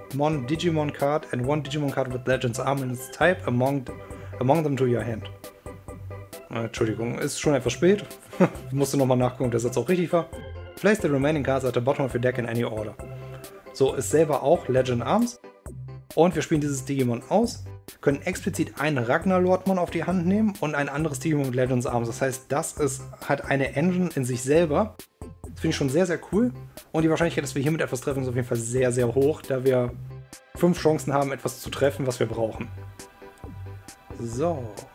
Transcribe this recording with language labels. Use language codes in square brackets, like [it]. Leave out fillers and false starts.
[en] one Digimon card and one Digimon card with Legends Arminus type among them to your hand. [de] Entschuldigung, ist schon etwas spät. Ich musste nochmal nachgucken, ob der Satz auch richtig war. [en] Place the remaining cards at the bottom of your deck in any order. [de] So, ist selber auch Legend Arms. Und wir spielen dieses Digimon aus, können explizit einen Ragnar-Lordmon auf die Hand nehmen und ein anderes Digimon mit Legends Arms. Das heißt, das ist, hat eine Engine in sich selber. Das finde ich schon sehr, sehr cool. Und die Wahrscheinlichkeit, dass wir hiermit etwas treffen, ist auf jeden Fall sehr, sehr hoch, da wir 5 Chancen haben, etwas zu treffen, was wir brauchen. So.